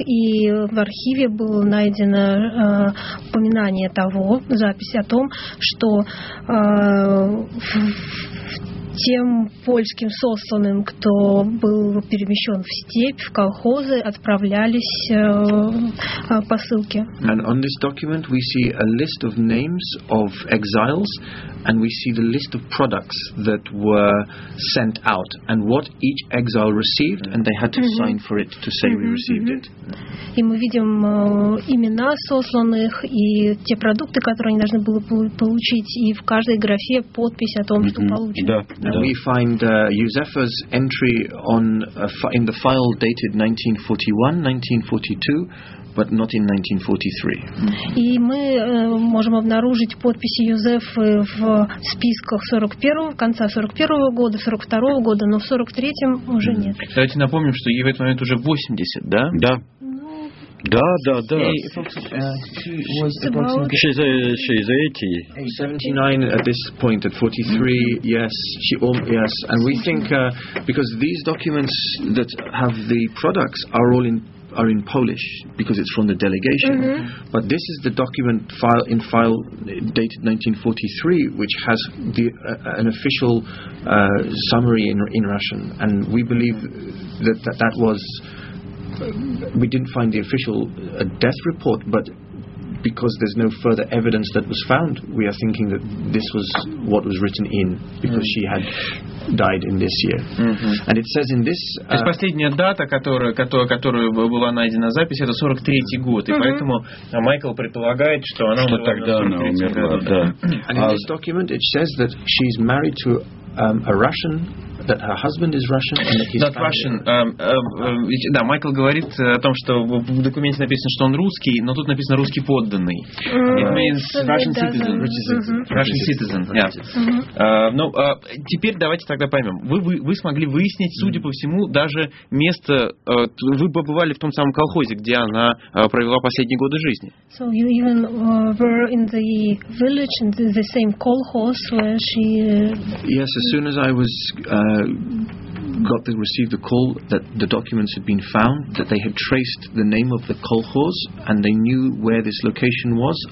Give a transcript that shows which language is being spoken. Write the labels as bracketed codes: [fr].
[ru] И в архиве было найдено упоминание того, запись о том, что тем польским сосланным, кто был перемещен в степь, в колхозы, отправлялись посылки. [en] And on this document we see a list of names of exiles, and we see the list of products that were sent out, and what each exile received, and they had to mm-hmm. sign for it to say mm-hmm. we received it. [ru] И мы видим имена сосланных и те продукты, которые они должны были получить, и в каждой графе подпись о том, mm-hmm. что получено. Да. [en] We find Josefa's entry on in the file dated 1941-1942, but not in 1943. [ru] И мы можем обнаружить подписи Юзефы в списках 41-го, конца 41-го года, 42-го года, но в 43-м уже нет. Давайте напомним, что ей в этот момент уже 80, да? Да. Да, да, да. [en] She's 80. 79 at this point, at 43, mm-hmm. yes. Yes. And we think, because these documents that have the products are in Polish, because it's from the delegation. Mm-hmm. But this is the document file dated 1943, which has the an official summary in Russian. And we believe that was... We didn't find the official death report, but because there's no further evidence that was found, we are thinking that this was what was written in, because mm-hmm. she had died in this year. Mm-hmm. And it says in this... [ru] То есть последняя дата, которую была найдена запись, это 43-й год, mm-hmm. и поэтому Майкл предполагает, что она умерла. Тогда она умерла, да. [en] And in this document it says that she's married to a Russian... That her husband is Russian and that he's not Russian. [ru] Да, Майкл говорит о том, что в документе написано, что он русский, но тут написано русский подданный. [en] It means Russian citizen. Russian citizen. Yeah. [ru] Ну, теперь давайте тогда поймем. Вы смогли выяснить, судя по всему, даже место. Вы побывали в том самом колхозе, где она провела последние годы жизни. [en] So you even were in the village in the same colchos where she. Yes, as soon as I was. Received the call that the documents had been found, that they had traced the name of the kolkhoz and they knew where this location was.